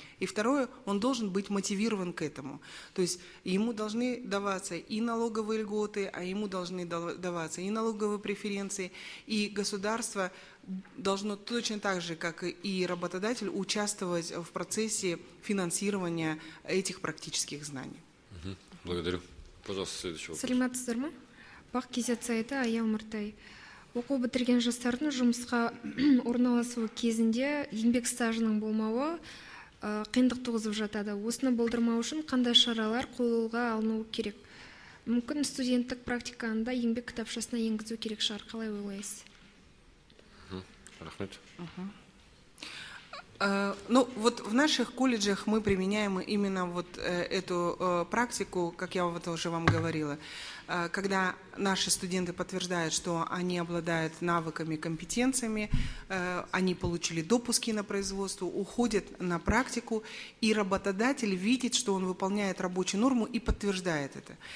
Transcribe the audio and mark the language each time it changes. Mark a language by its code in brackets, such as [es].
[ru] И второе, он должен быть мотивирован к этому. То есть ему должны даваться и налоговые льготы, а ему должны даваться и налоговые преференции. И государство должно точно так же, как и работодатель, участвовать в процессе финансирования этих практических знаний. Благодарю. Пожалуйста, следующий вопрос. [kk] Саламатсыздар ма? Бах кезяцайта, аял мартай. Оқу бітірген жастардың жұмысқа орналасуы кезінде еңбек стажының болмауы қиындық туғызып жатады. Осыны болдырмау үшін қандай шаралар қолға алынуы керек? Мүмкін студенттік практиканы да еңбек кітапшасына енгізу керек шығар, қалай ойлайсыз? Рахмет. [ru] Ну, вот в наших колледжах мы применяем именно вот эту практику, как я вот уже вам говорила. Когда наши студенты подтверждают, что они обладают навыками, компетенциями, они получили допуски на производство, уходят на практику, и работодатель видит, что он выполняет рабочую норму и подтверждает это.